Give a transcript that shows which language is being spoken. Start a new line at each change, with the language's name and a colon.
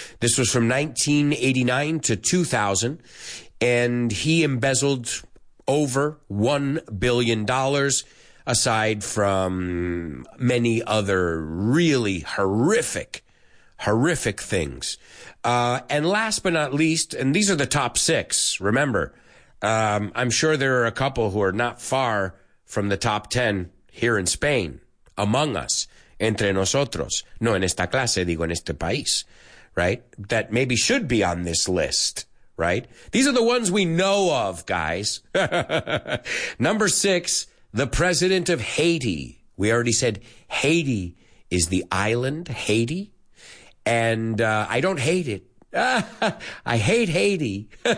English: This was from 1989 to 2000, and he embezzled over $1 billion, aside from many other really horrific, horrific things. And last but not least, and these are the top six, remember. I'm sure there are a couple who are not far from the top 10 here in Spain, among us,
Spanish: entre nosotros. No, en esta clase, digo, en este país, right?
English: That maybe should be on this list, right? These are the ones we know of, guys. Number six, the president of Haiti. We already said Haiti is the island, Haiti. And I don't hate it. I hate Haiti.